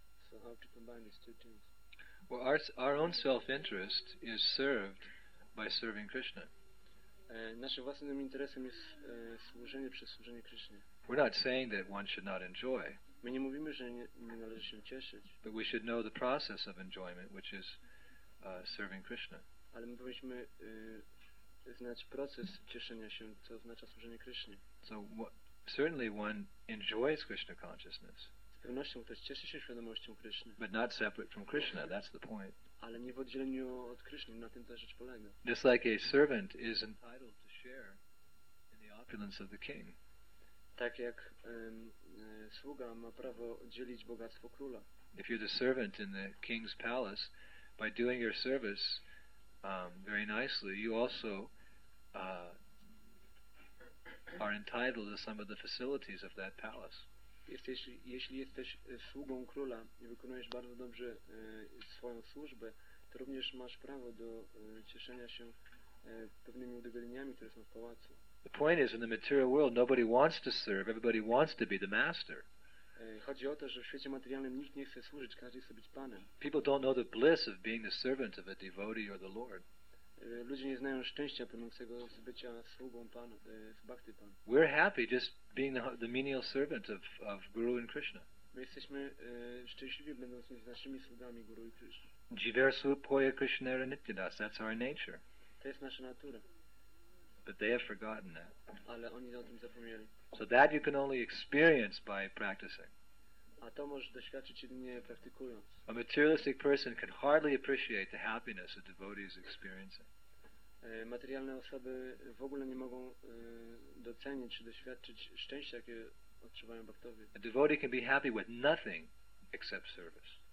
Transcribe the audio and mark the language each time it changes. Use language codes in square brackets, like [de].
[en] So how to combine these two things? Well, our own self-interest is served by serving Krishna. [pl] Naszym własnym interesem jest służenie przez służenie Krishna. [en] We're not saying that one should not enjoy. [pl] My nie mówimy, że nie należy się cieszyć. [en] But we should know the process of enjoyment, which is serving Krishna. [pl] Ale my powinniśmy znać proces cieszenia się, co oznacza służenie Krishna. [en] So certainly one enjoys Krishna consciousness. [pl] Z pewnością ktoś cieszy się świadomością Krishna. [en] But not separate from Krishna, that's the point. [pl] Ale nie w oddzieleniu od Krishna, na tym ta rzecz polega. [en] Just like a servant is entitled to share in the opulence of the king. [pl] Tak jak sługa ma prawo dzielić bogactwo króla. [en] If you're the servant in the king's palace, by doing your service very nicely, you also are entitled to some of the facilities of that palace. [pl] Jeśli jesteś sługą króla i wykonujesz bardzo dobrze swoją służbę, to również masz prawo do cieszenia się pewnymi udogodnieniami, które są w pałacu. [en] The point is, in the material world, nobody wants to serve, everybody wants to be the master. [pl] Chodzi o to, że w świecie materialnym nikt nie chce służyć, każdy chce być panem. [en] People don't know the bliss of being the servant of a devotee or the Lord. [pl] Ludzie nie znają szczęścia płynącego z bycia sługą Pana, z Bhakti Pan. [en] We're happy just being the menial servant of Guru and Krishna. [pl] My jesteśmy szczęśliwi będąc naszymi sługami Guru i Krishna. [bn] Jiversu poya Krishnera nityadas, [en] that's our nature. [pl] To jest nasza natura. [en] But they have forgotten that. [pl] Ale oni o tym zapomnieli. [en] So that you can only experience by practicing. [pl] A to możesz doświadczyć jedynie praktykując. [en] A materialistic person can hardly appreciate the happiness a devotee is experiencing. [pl] Materialne osoby w ogóle nie mogą docenić czy doświadczyć szczęścia, jakie odczuwają bhaktowie. [en] A devotee can be happy with nothing except service.